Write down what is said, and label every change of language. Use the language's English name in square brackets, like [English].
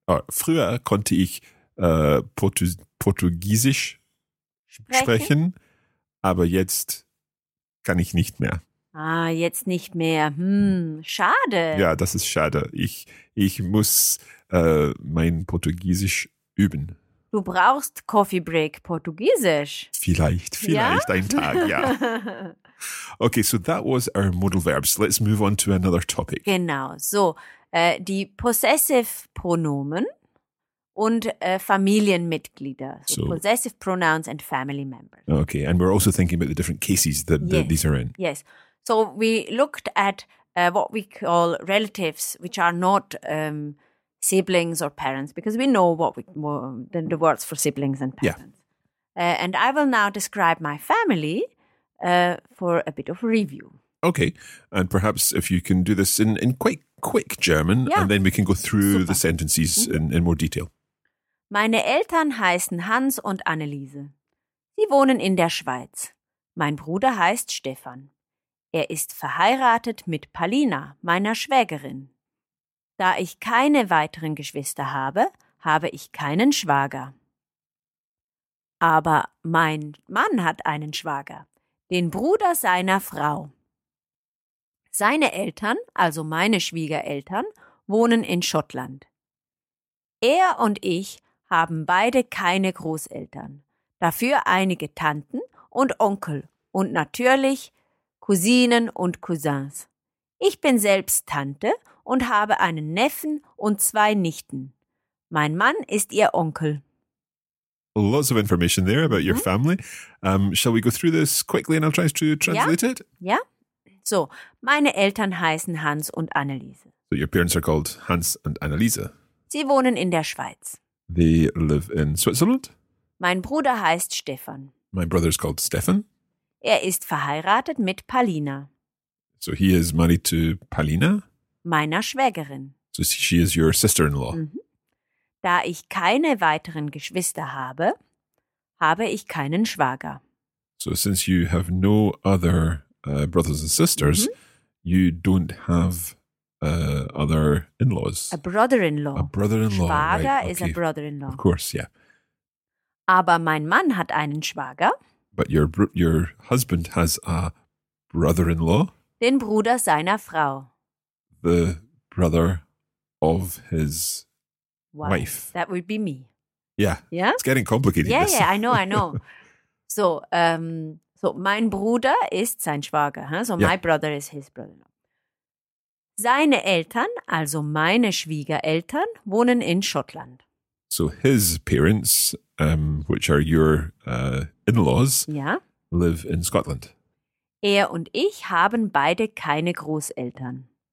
[German] Früher konnte ich Portugiesisch sprechen, aber jetzt kann ich nicht mehr. Ah, jetzt nicht mehr. Schade. Ja, das ist schade. Ich muss mein Portugiesisch üben. Du brauchst Coffee Break Portugiesisch. Vielleicht ein Tag, ja. [English] Okay, so that was our modal verbs. Let's move on to another topic. [German] Genau, so die Possessive Pronomen. Und Familienmitglieder, [English] so possessive pronouns and family members. Okay, and we're also thinking about the different cases that, that these are in. Yes, so we looked at what we call relatives, which are not siblings or parents, because we know the words for siblings and parents. Yeah. And I will now describe my family for a bit of review. Okay, and perhaps if you can do this in quite quick German, and then we can go through the sentences in more detail. [German] Meine Eltern heißen Hans und Anneliese. Sie wohnen in der Schweiz. Mein Bruder heißt Stefan. Er ist verheiratet mit Palina, meiner Schwägerin. Da ich keine weiteren Geschwister habe, habe ich keinen Schwager. Aber mein Mann hat einen Schwager, den Bruder seiner Frau. Seine Eltern, also meine Schwiegereltern, wohnen in Schottland. Er und ich haben beide keine Großeltern, dafür einige Tanten und Onkel und natürlich Cousinen und Cousins. Ich bin selbst Tante und habe einen Neffen und zwei Nichten. Mein Mann ist ihr Onkel. [English] Lots of information there about your family. Shall we go through this quickly and I'll try to translate it? [German] Ja. So, meine Eltern heißen Hans und Anneliese. [English] So your parents are called Hans and Anneliese. [German] Sie wohnen in der Schweiz. [English] They live in Switzerland. [German] Mein Bruder heißt Stefan. [English] My brother is called Stefan. [German] Er ist verheiratet mit Palina. [English] So he is married to Palina. [German] Meiner Schwägerin. [English] So she is your sister-in-law. Da ich keine weiteren Geschwister habe, habe ich keinen Schwager. So since you have no other brothers and sisters, you don't have other in-laws. A brother-in-law. Schwager is a brother-in-law. Of course, yeah. [German] Aber mein Mann hat einen Schwager. [English] But your husband has a brother-in-law. [German] Den Bruder seiner Frau. [English] The brother of his wife. That would be me. Yeah. Yeah? It's getting complicated. Yeah, I know. So [German] mein Bruder ist sein Schwager. [English] Huh? So my brother is his brother-in-law. [German] Seine Eltern, also meine Schwiegereltern, wohnen in Schottland. [English] So his parents, which are your in-laws, live in Scotland. [German] Er und ich haben beide keine Großeltern.